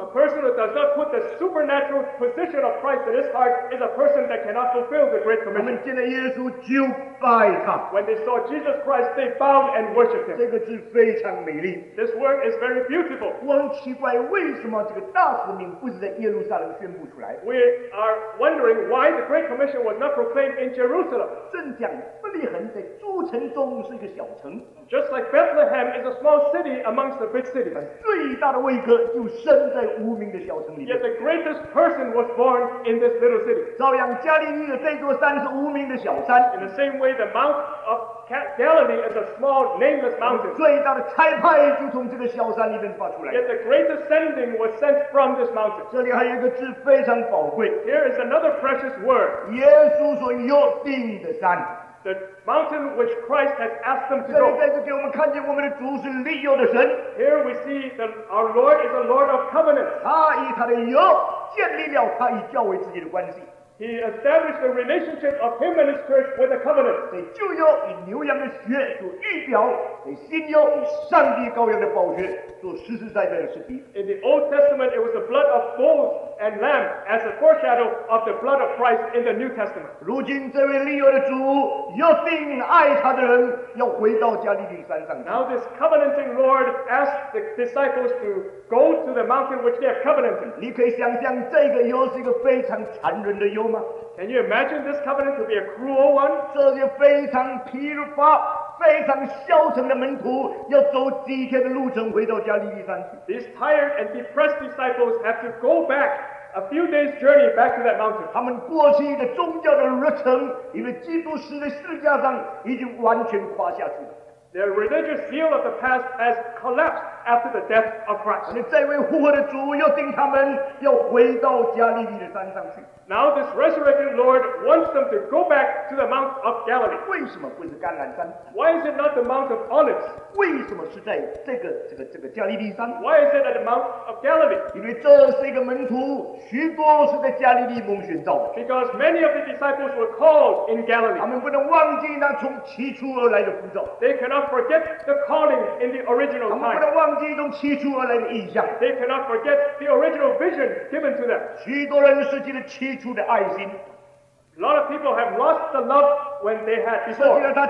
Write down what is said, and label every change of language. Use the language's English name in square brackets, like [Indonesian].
[English] A person who does not put the supernatural position of Christ in his heart is a person that cannot fulfill the Great Commission. [Chinese] 他们见了耶稣就拜他。 [English] When they saw Jesus Christ, they bowed and worshipped him. [Chinese] 这个字非常美丽。 [English] This word is very beautiful. [Chinese] 我很奇怪，为什么这个大使命不是在耶路撒冷宣布出来？ [English] We are wondering why the Great Commission was not proclaimed in Jerusalem. [Chinese] 正讲伯利恒在诸城中是一个小城。 [English] Just like Bethlehem is a small city amongst the big cities. [Chinese] 最大的位格就生在无名的小城里面。 [English] Yet the greatest person was born in this little city. [Chinese] 照样，加利利的这座山是无名的小山。 [English] In the same way, the Mount of Galilee is a small, nameless mountain. [Chinese] 最大的差派就从这个小山里面发出来。 [English] Yet the greatest sending was sent from this mountain. [Chinese] 这里还有一个字非常宝贵。 [English] Here is another precious word. [Chinese] 耶稣所预定的山。 [English] The mountain which Christ has asked them to go. [Chinese] 这里再次给我们看见我们的主是立约的神。 [English] Here we see that our Lord is a Lord of covenant. [Chinese] 他以他的约建立了他与教会之间的关系。 [English] He established the relationship of him and his church with a covenant. [Chinese] 在旧约以牛羊的血做预表，在新约以上帝羔羊的宝血做实实在在的实体。 [English] In the Old Testament, it was the blood of bulls and lambs as a foreshadow of the blood of Christ in the New Testament. [Chinese] 如今这位立约的主约定爱他的人要回到加利利山上。 [English] Now this covenanting Lord asked the disciples to go to the mountain which they have covenanted. [Chinese] 你可以想象这个又是一个非常残忍的约。 [English] Can you imagine this covenant to be a cruel one? [Chinese] 这些非常疲乏、非常消沉的门徒要走几天的路程回到加利利山去。 [English] These tired and depressed disciples have to go back a few days' journey back to that mountain. [Chinese] 他们过去的宗教的热忱，因为基督死在十字架上，已经完全垮下去了。 [English] Their religious zeal of the past has collapsed after the death of Christ. [Chinese] 这位复活的主又定他们要回到加利利的山上去。 [English] Now this resurrected Lord wants them to go back to the Mount of Galilee. [Chinese] 为什么不是橄榄山? [English] Why is it not the Mount of Olives? [Chinese] 为什么是在这个加利利山? [English] Why is it at the Mount of Galilee? [Chinese] 因为这四个门徒许多是在加利利蒙选召的。 [English] Because many of the disciples were called in Galilee. [Chinese] 他们不能忘记那从起初而来的呼召。 [English] They cannot forget the calling in the original time. [Chinese] 他们不能忘记从起初而来的意象。 [English] They cannot forget the original vision given to them. [Chinese] 许多人失去了起初。 [English] A lot of people have lost the love when they had before.